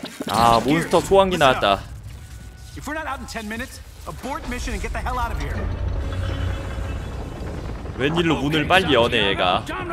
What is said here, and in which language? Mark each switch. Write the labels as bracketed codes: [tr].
[ko] 아, 몬스터 소환기 나왔다. [en] If we're not out in 10 minutes, abort mission and get the hell out of here. [ko] 웬일로 문을 빨리 여네 얘가.